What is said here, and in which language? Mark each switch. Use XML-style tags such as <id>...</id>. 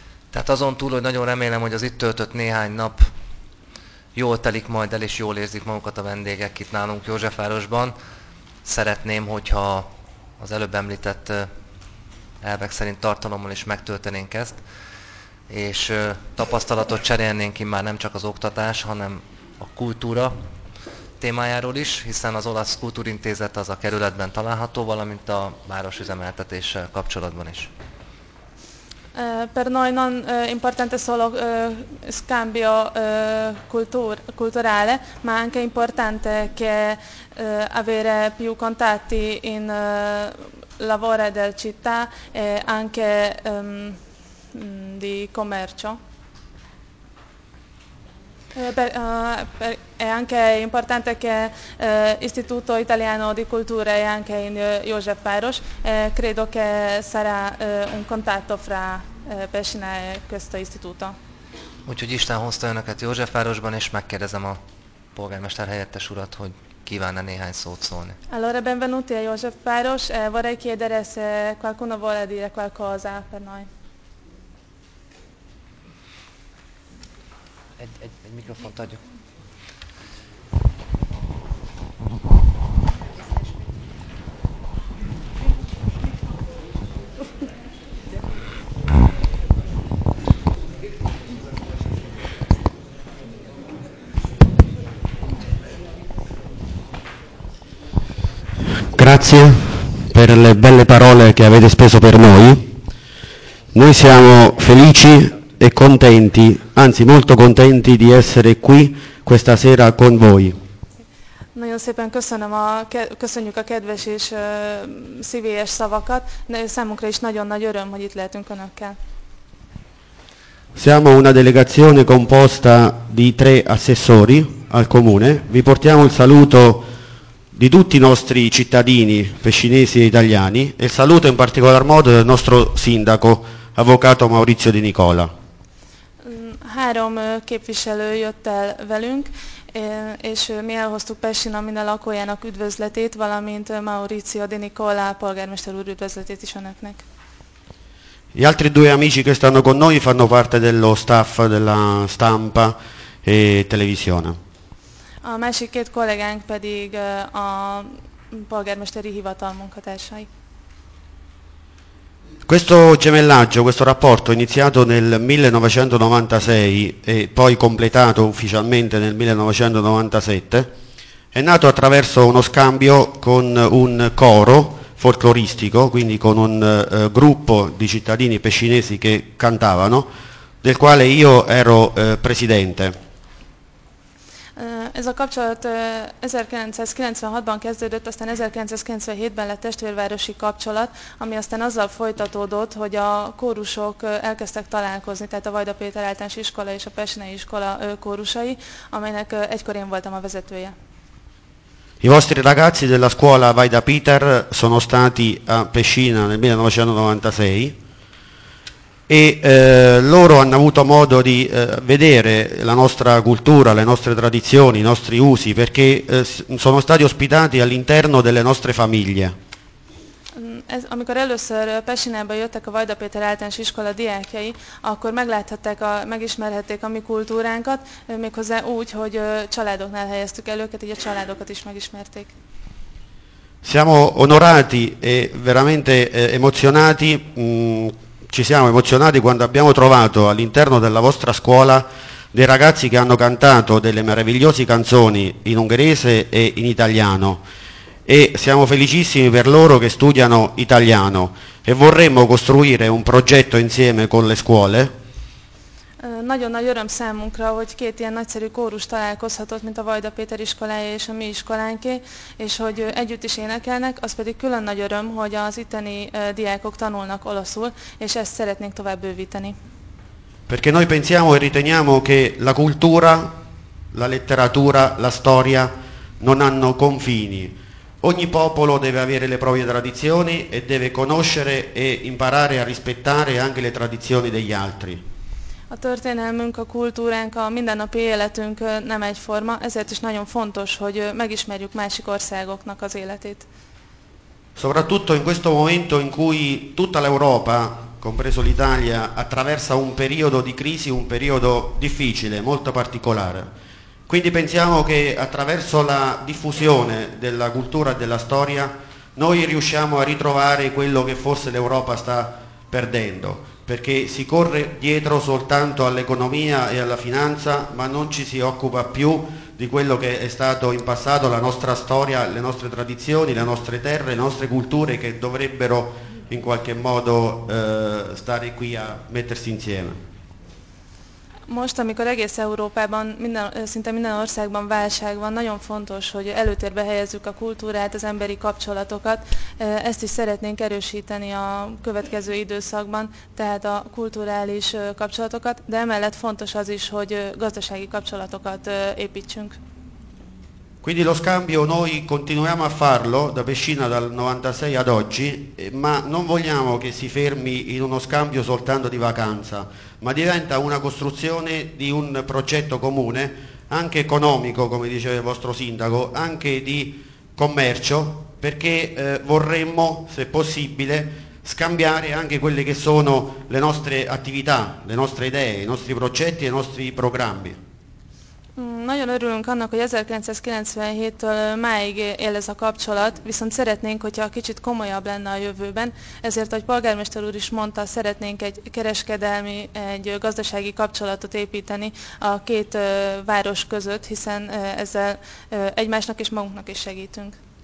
<hu>Tehát azon túl, hogy nagyon remélem, hogy az itt töltött néhány nap jól telik majd el, és jól érzik magukat a vendégek itt nálunk Józsefvárosban, szeretném, hogyha az előbb említett elvek szerint tartalommal is megtöltenénk ezt, és tapasztalatot cserélnénk ki már nem csak az oktatás, hanem a kultúra témájáról is, hiszen az Olasz Kultúrintézet az a kerületben található, valamint a város üzemeltetéssel kapcsolatban is.</hu> <it>Per noi non importante solo scambio culturale, ma anche importante che avere più contatti in lavoro del città e anche di commercio. È anche importante che l'Istituto Italiano di Cultura è anche in József Város, credo che sarà un contatto fra Pescina e questo istituto.</it> <hu>Úgyhogy Isten hozta önöket Józsefvárosban, és megkérdezem a polgármester helyettes urat, hogy kívánna néhány szót szólni.</hu> <it>Allora, benvenuti a József Város, vorrei chiedere se qualcuno vuole dire qualcosa per noi.</it> <hu>Egy mikrofont adjuk.</hu> <it>Grazie per le belle parole che avete speso per noi. Noi siamo felici e contenti, anzi molto contenti di essere qui questa sera con voi.</it> <hu>Nagyon szépen köszönöm a köszönjük a kedves és szívélyes szavakat, de számunkra is nagyon nagy öröm, hogy itt lehetünk önökkel.</hu> <it>Siamo una delegazione composta di tre assessori al comune. Vi portiamo il saluto di tutti i nostri cittadini pescinesi e italiani e il saluto in particolar modo del nostro sindaco, avvocato Maurizio Di Nicola.</it> <hu>Három képviselő jött el velünk, és mi elhoztuk Pessina minden lakójának üdvözletét, valamint Maurizio Di Nicola polgármester úr üdvözletét is önöknek.</hu> <it>Gli altri due amici che stanno con noi fanno parte dello staff della stampa e televisione.</it> <hu>A másik két kollégánk pedig a polgármesteri hivatal munkatársai.</hu> <it>Questo gemellaggio, questo rapporto iniziato nel 1996 e poi completato ufficialmente nel 1997 è nato attraverso uno scambio con un coro folcloristico, quindi con un gruppo di cittadini pescinesi che cantavano, del quale io ero presidente.</it> <hu>Ez a kapcsolat 1996-ban kezdődött, aztán 1997-ben lett testvérvárosi kapcsolat, ami aztán azzal folytatódott, hogy a kórusok elkezdtek találkozni, tehát a Vajda Péter Általános Iskola és a Pessinei Iskola kórusai, amelynek egykor én voltam a vezetője.</hu> <it>I vostri ragazzi della scuola Vajda Péter sono stati a Pescina nel 1996. E loro hanno avuto modo di vedere la nostra cultura, le nostre tradizioni, i nostri usi, perché sono stati ospitati all'interno delle nostre famiglie.</it> <hu>Amikor először Pessinába jöttek a Vajda Péter Általános Iskola diákjai, akkor megismerhették a mi kultúránkat, méghozzá úgy, hogy családoknál helyeztük el őket, így a családokat is megismerték.</hu> <it>Siamo onorati e veramente emozionati. Ci siamo emozionati quando abbiamo trovato all'interno della vostra scuola dei ragazzi che hanno cantato delle meravigliose canzoni in ungherese e in italiano e siamo felicissimi per loro che studiano italiano e vorremmo costruire un progetto insieme con le scuole.</it> <hu>Nagyon nagy öröm számunkra, hogy két ilyen nagyszerű kórus találkozhatott, mint a Vajda Péter iskolája és a mi iskolánké, és hogy együtt is énekelnek, az pedig külön nagy öröm, hogy az itteni diákok tanulnak olaszul, és ezt szeretnénk tovább bővíteni.</hu> <it>Perché noi pensiamo e riteniamo che la cultura, la letteratura, la storia non hanno confini. Ogni popolo deve avere le proprie tradizioni e deve conoscere e imparare a rispettare anche le tradizioni degli altri.</it> <hu>A történelmünk, a kultúránk, a mindennapi életünk nem egyforma, ezért is nagyon fontos, hogy megismerjük másik országoknak az életét.</hu> <it>Soprattutto in questo momento in cui tutta l'Europa, compreso l'Italia, attraversa un periodo di crisi, un periodo difficile, molto particolare. Quindi pensiamo che attraverso la diffusione della cultura e della storia noi riusciamo a ritrovare quello che forse l'Europa sta perdendo. Perché si corre dietro soltanto all'economia e alla finanza, ma non ci si occupa più di quello che è stato in passato, la nostra storia, le nostre tradizioni, le nostre terre, le nostre culture che dovrebbero in qualche modo stare qui a mettersi insieme.</it> <hu>Most, amikor egész Európában, szinte minden országban válság van, nagyon fontos, hogy előtérbe helyezzük a kultúrát, az emberi kapcsolatokat. Ezt is szeretnénk erősíteni a következő időszakban, tehát a kulturális kapcsolatokat, de emellett fontos az is, hogy gazdasági kapcsolatokat építsünk.</hu> <it>Quindi lo scambio noi continuiamo a farlo da Pescina dal 96 ad oggi, ma non vogliamo che si fermi in uno scambio soltanto di vacanza, ma diventa una costruzione di un progetto comune, anche economico, come diceva il vostro sindaco, anche di commercio, perché vorremmo, se possibile, scambiare anche quelle che sono le nostre attività, le nostre idee, i nostri progetti e i nostri programmi.</it> <hu>Nagyon örülünk annak, hogy 1997-től máig él ez a kapcsolat, viszont szeretnénk, hogyha kicsit komolyabb lenne a jövőben, ezért, ahogy polgármester úr is mondta, szeretnénk egy kereskedelmi, egy gazdasági kapcsolatot építeni a két város között, hiszen ezzel egymásnak és magunknak is segítünk.</hu>